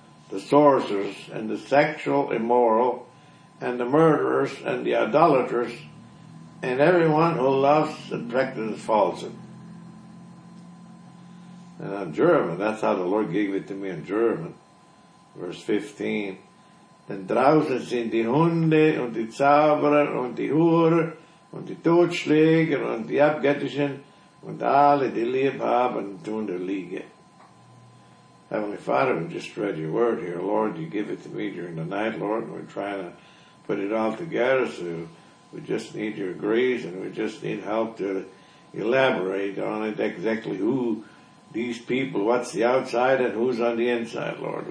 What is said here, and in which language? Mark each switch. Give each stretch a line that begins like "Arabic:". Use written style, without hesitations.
English: the sorcerers and the sexual immoral and the murderers and the idolaters and everyone who loves and practices falsehood. And on German, that's how the Lord gave it to me in German. Verse 15.
German: Denn draußen sind die Hunde und die Zauberer und die Hure und die Totschläger und die Abgöttischen und alle, die lieb haben, tun der Liege.
English: Heavenly Father, we just read your word here. Lord, you give it to me during the night, Lord. We're trying to put it all together, so we just need your grace and we just need help to elaborate on it exactly who these people, what's the outside and who's on the inside, Lord.